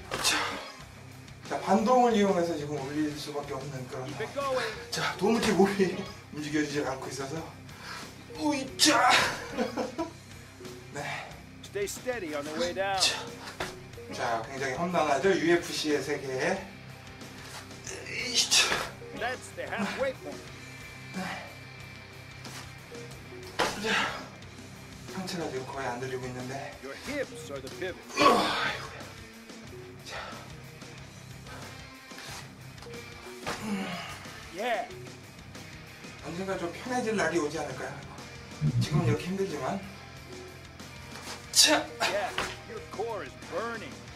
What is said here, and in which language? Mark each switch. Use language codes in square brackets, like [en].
[ko] 자, 자, 반동을 이용해서 지금 올릴 수밖에 없는 그런. 자, 도무지 몸이 움직여지지 않고 있어서. 우이차. 네. [en] Stay steady on the way down. [ko] 자, 굉장히 험난하죠? UFC의 세계에. 으이차. [en] That's the halfway point. [ko] 자, 상체가 지금 거의 안 들리고 있는데. [en] Your hips are the pivot. [ko] 자. Yeah. 언젠가 좀 편해질 날이 오지 않을까요? 지금은 이렇게 힘들지만. 차. [en] Yeah, your core is burning.